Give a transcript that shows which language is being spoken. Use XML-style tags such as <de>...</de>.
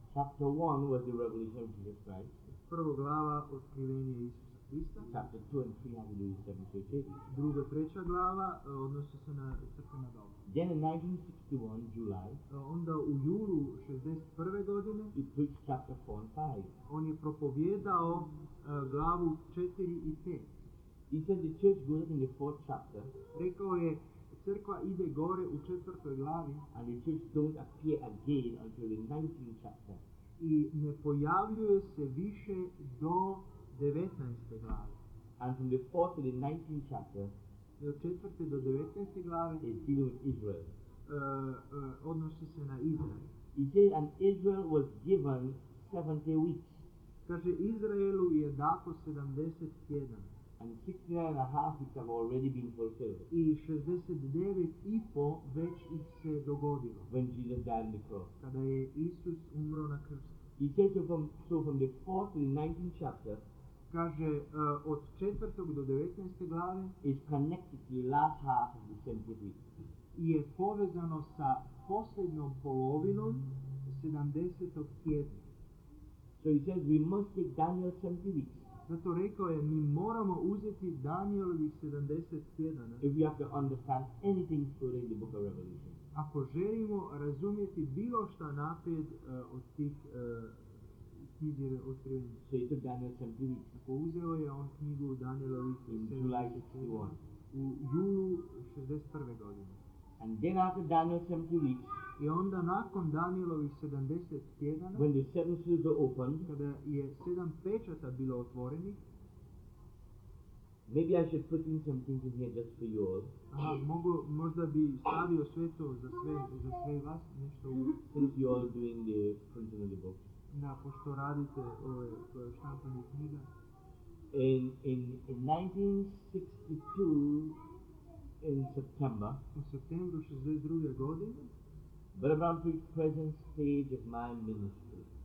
<en>Chapter 1 was the revelation of Jesus Christ.</en> <sr>Prvo glava, Otkrivenje Isusa.</sr> <en>Chapter 2 and 3 have to do with 7 churches.</en> <sr>Druga, treća glava odnosi se na crkvena doba.</sr> <en>1961 July.</en> <sr>Onda u julu 61. godine.</sr> <en>He preached chapter 4 and 5.</en> <sr>On je propovjedao glavu 4 i 5.</sr> <en>He said the church goes in the fourth chapter.</en> <sr>Rekao je crkva ide gore u četvrtoj glavi.</sr> <en>And the church don't appear again until the 19th chapter.</en> <sr>I ne pojavljuje se više do 19. glave.</sr> <en>And from the 4th to the 19th chapter.</en> <sr>Od 4. do 19. glave</sr> <en>is dealing with Israel.</en> <sr>Odnosi se na Izrael.</sr> <en>He said, and Israel was given 70 weeks.</en> <sr>Kaže, Izraelu je dato 70 tjedana.</sr> <en>And 69 and a half weeks have already been fulfilled.</en> <sr>I 69 i po već ih se dogodilo.</sr> <en>When Jesus died on the cross.</en> <sr>Kada je Isus umro na krstu.</sr> <en>He said, so from the 4th to the 19th chapter,</en> <sr>kaže od 4. do 19. glave</sr> <en>is connected to the last half of the 70 weeks.</en> <sr>Je povezano sa posljednjom polovinom 70. tjedna.</sr> <en>So he says we must take Daniel 70 weeks.</en> <sr>Zato rekao je mi moramo uzeti Danielovih 70 tjedana.</sr> <en>If we have to understand anything concerning the book of Revelation.</en> <sr>Ako želimo razumjeti bilo šta naprijed od tih</sr> <en>so he took Daniel 70 weeks.</en> <sr>Ako uzeo je on knjigu Danielovih</sr> <en>in July 61.</en> <sr>U julu 61. godine.</sr> <en>And then after Daniel 70 weeks.</en> <sr>I onda nakon Danielovih 70 tjedana.</sr> <en>When the seven seals were opened.</en> <sr>Kada je sedam pečata bilo otvoreni.</sr> <en>Maybe I should put in some things in here just for you all.</en> <sr>Možda bi stavio sve to za sve vas nešto.</sr> <en>Since you all doing the printing of the book.</en> <sr>Na pošto radite ove štampane knjige.</sr> <en>In 1962 in September.</en> <sr>U septembru 62. godine.</sr> <en>Brother Branham preached present stage of my ministry.</en>